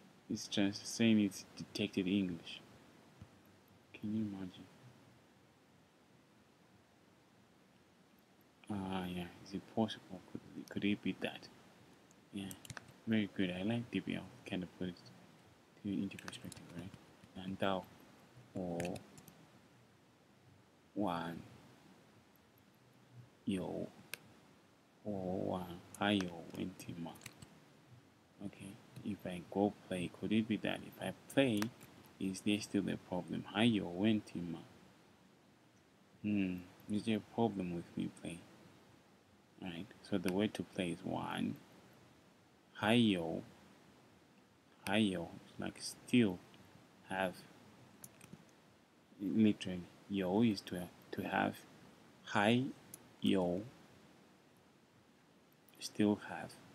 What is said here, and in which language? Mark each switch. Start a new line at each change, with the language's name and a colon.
English: It's just saying it's detected English. Can you imagine? Yeah, is it possible? Could it be that? Yeah, very good. I like DBL, kind of put it you into perspective, right?
Chinese: 难道 or 晚有 or 晚还有问题吗?
English: Okay, if I go play, could it be that if I play, is there still a problem?
Chinese: 还有问题吗?
English: Is there a problem with me play? Alright, so the way to play is
Chinese: 晚还有 还有,
English: like still have, literally,
Chinese: 有
English: is to have,
Chinese: 还有,
English: still have.